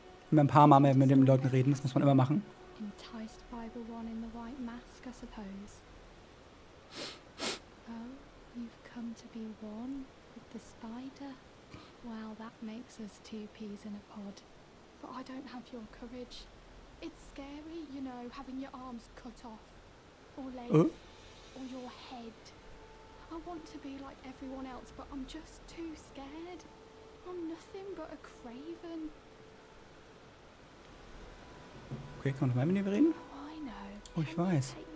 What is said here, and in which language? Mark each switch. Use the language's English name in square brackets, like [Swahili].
[German] Immer ein paar Mal mehr mit den Leuten reden, das muss man immer machen. [English] Enticed by the one in the white mask, I suppose. Oh, you've come to be one with the spider? Well, that makes us two peas in a pod. But I don't have your courage. It's scary, you know, having your arms cut off. Or legs. Or your head. I want to be like everyone else, but I'm just too scared. I'm nothing but a craven. [German] Okay, kann man noch mal mit ihm reden? Oh, ich weiß.